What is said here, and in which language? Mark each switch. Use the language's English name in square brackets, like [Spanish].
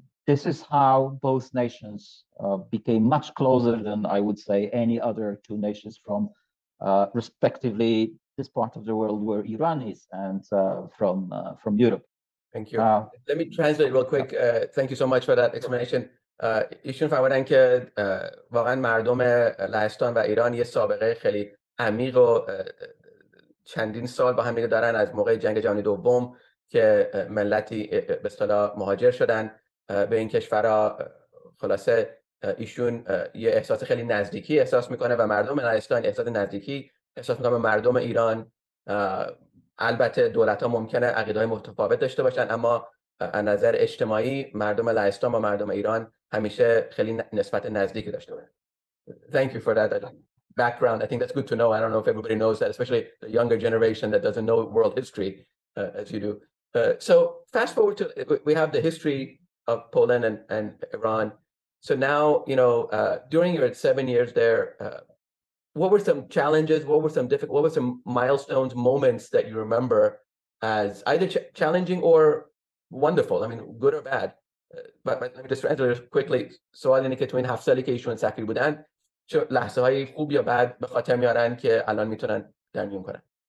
[English] This is how both nations became much closer than I would say any other two nations from respectively this part of the world where Iran is and from Europe. Thank you. Let me translate real quick. Thank you so much for that explanation. [Persian] ایشون فرمودن که واقعا مردم لهستان و ایران یه سابقه خیلی عمیق و چندین سال با هم دیگه دارن از موقع جنگ جهانی دوم که ملتی به اصطلاح مهاجر شدن به این کشورها. خلاصه ایشون یه احساس خیلی نزدیکی احساس میکنه و مردم لهستان احساس نزدیکی احساس میکنه به مردم ایران. البته دولت ها ممکنه عقیده های متفاوت داشته باشن، اما از نظر اجتماعی مردم لهستان با مردم ایران همیشه خیلی نسبت نزدیکی داشته بودن. [English] Thank you for that background. I think that's good to know. I don't know if everybody knows that, especially the younger generation that doesn't know world history as you do. So fast forward to, we have the history of Poland and Iran. So now, you know, during your 7 years there, what were some challenges? What were some difficult, what were some milestones, moments that you remember as either challenging or wonderful? I mean, good or bad? But let me just answer quickly. [Persian] So سوال اینه که تو این 7 سالی که ایشون سفیر بودن چه لحظه های خوب یا بد به خاطر میارن که الان میتونن در میون کنن.